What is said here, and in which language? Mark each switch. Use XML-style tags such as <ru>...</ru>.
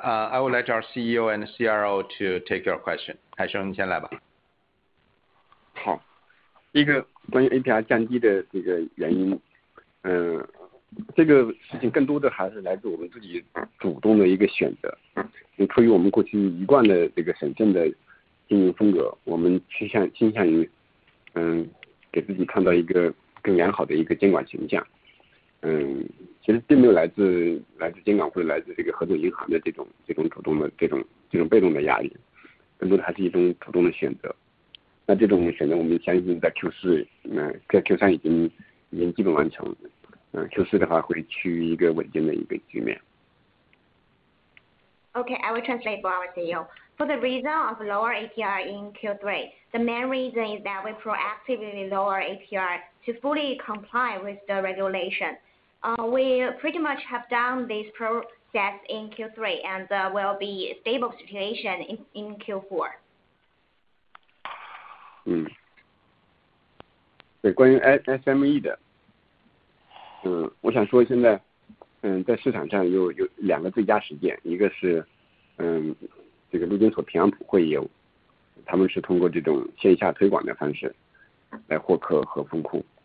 <en>I would like our CEO and CRO to take your question.</en> <zh>海生，你先来吧。好，一个关于 APR 降低的这个原因，这个事情更多的还是来自我们自己主动的一个选择。出于我们过去一贯的这个审慎的经营风格，我们倾向于，给自己创造一个更良好的一个监管形象。其实并没有来自监管或者来自这个合作银行的这种主动的这种被动的压力，更多的还是一种主动的选择。那这种选择我们相信在 Q4， 在 Q3 已经基本完成，Q4 的话会趋于一个稳定的一个局面。</zh> <en>Okay, I will translate for our CEO. For the reason of lower APR in Q3, the main reason is that we proactively lower APR to fully comply with the regulation. We pretty much have done this sales in Q3 and will be stable situation in Q4.</en> <zh>关于 SME 的。我想说现在在市场上有两个最佳实践，一个是这个陆军所平安普会有，他们是通过这种线下推广的方式来获客和封库。</zh>